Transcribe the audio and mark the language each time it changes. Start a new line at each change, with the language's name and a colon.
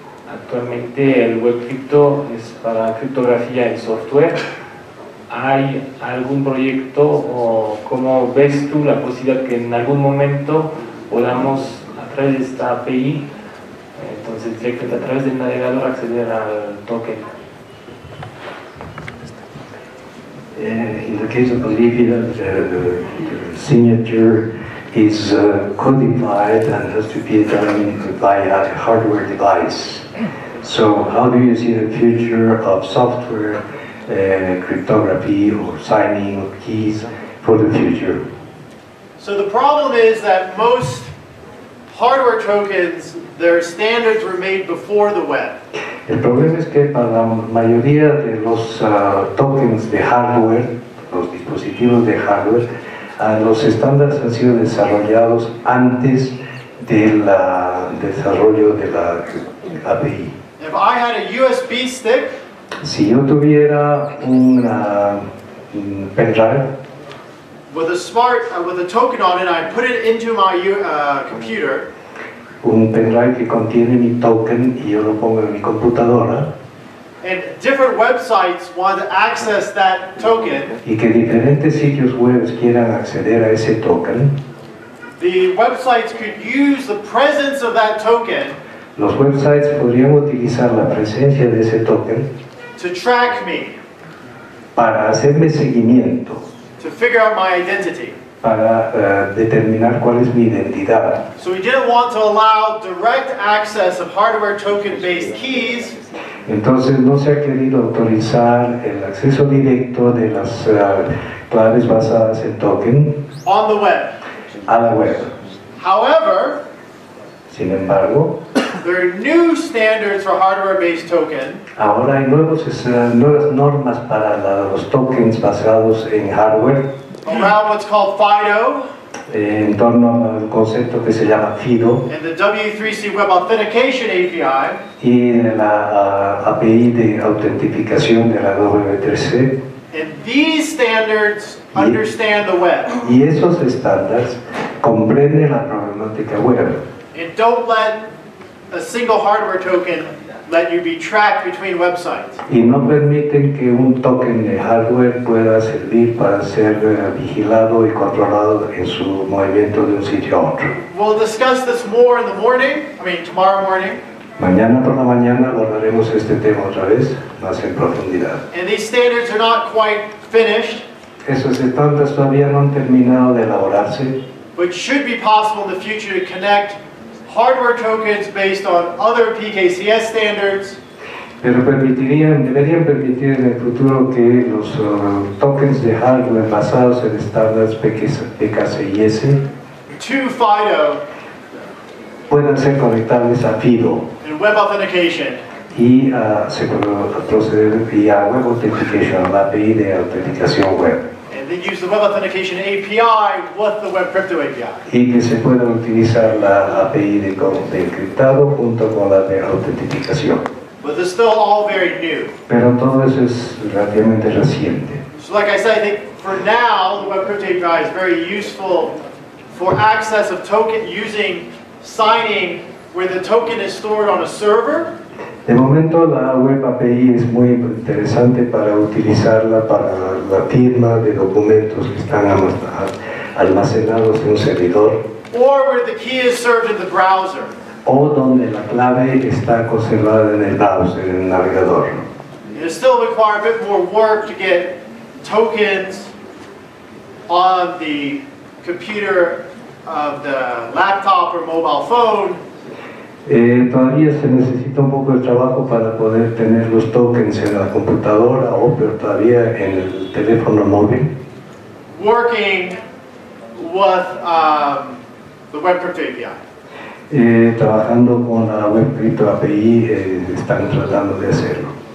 Spanish: Actualmente el WebCrypto es para criptografía en software. ¿Hay algún proyecto o cómo ves tú la posibilidad que en algún momento podamos a través de esta API, entonces directamente a través del navegador acceder al token?
English: In the case of Bolivia, the signature is codified and has to be done by a hardware device. So how do you see the future of software cryptography or signing of keys for the future? So the problem is that most hardware tokens, their standards were made before the web.
Spanish: El problema es que para la mayoría de los tokens de hardware, los dispositivos de hardware, los estándares han sido desarrollados antes del desarrollo de la API.
English: If I had a USB stick,
Spanish: si yo tuviera una, un pendrive,
English: with a smart with a token on it, I put it into my computer.
Spanish: Un pendrive que contiene mi token y yo lo pongo en mi computadora.
English: And different websites want to access that token.
Spanish: Y que diferentes sitios web quieran acceder a ese token.
English: The websites could use the presence of that token.
Spanish: Los websites podrían utilizar la presencia de ese token.
English: To track me.
Spanish: Para hacerme seguimiento.
English: To figure out my identity.
Spanish: Para determinar cuál es mi identidad.
English: So we didn't want to allow direct access of hardware token-based keys.
Spanish: Entonces no se ha querido autorizar el acceso directo de las claves basadas en token.
English: On the web.
Spanish: A la web.
English: However,
Spanish: sin embargo,
English: there are new standards for hardware-based token.
Spanish: Ahora hay nuevas normas para los tokens basados en hardware.
English: Around what's called FIDO.
Spanish: En torno al concepto que se llama FIDO.
English: And the W3C Web Authentication API.
Spanish: Y la API de autentificación de la W3C.
English: And these standards understand the web.
Spanish: Y esos estándares comprenden la problemática web.
English: And don't let a single hardware token let you be tracked between websites.
Spanish: Y no permiten que un token de hardware pueda servir para ser vigilado y controlado en su movimiento de un sitio a otro.
English: We'll discuss this more in the morning, I mean tomorrow morning.
Spanish: Mañana por la mañana abordaremos este tema otra vez, más en profundidad.
English: And these standards are not quite finished.
Spanish: Esos estándares todavía no han terminado de elaborarse.
English: But should be possible in the future to connect hardware tokens based on other PKCS standards.
Spanish: Pero deberían permitir en el futuro que los tokens de hardware basados en estándares PKCS
English: to FIDO
Spanish: puedan ser conectables a FIDO
English: and web authentication
Spanish: y a proceder vía web authentication, la API de autenticación web.
English: Then use the web authentication API with the web crypto API.
Spanish: Y que se pueda utilizar la API de encriptado junto con la de autentificación.
English: But it's still all very new.
Spanish: Pero todo eso es relativamente reciente.
English: So like I said, I think for now the web crypto API is very useful for access of token using signing where the token is stored on a server.
Spanish: De momento la web API es muy interesante para utilizarla para la firma de documentos que están almacenados en un servidor.
English: Or where the key is served in the browser.
Spanish: O donde la clave está conservada en el browser, en el navegador.
English: It still requires a bit more work to get tokens on the computer of the laptop or mobile phone.
Spanish: Todavía se necesita un poco de trabajo para poder tener los tokens en la computadora o pero todavía en el teléfono móvil.
English: Working with the web crypto API.
Spanish: Trabajando con la web crypto API están tratando de hacerlo.